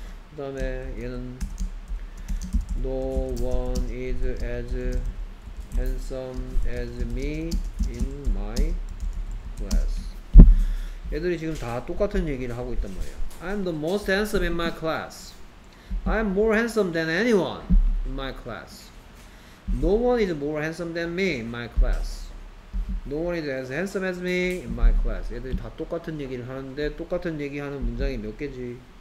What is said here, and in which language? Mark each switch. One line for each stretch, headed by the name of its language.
Korean: 그 다음에 얘는
English: No one is as handsome as me in my class.
Korean: 애들이 지금 다 똑같은 얘기를 하고 있단 말이야.
English: I'm the most handsome in my class. I'm more handsome than anyone in my class. No one is more handsome than me in my class. No one is as handsome as me in my class.
Korean: 애들이 다 똑같은 얘기를 하는데 똑같은 얘기하는 문장이 몇 개지?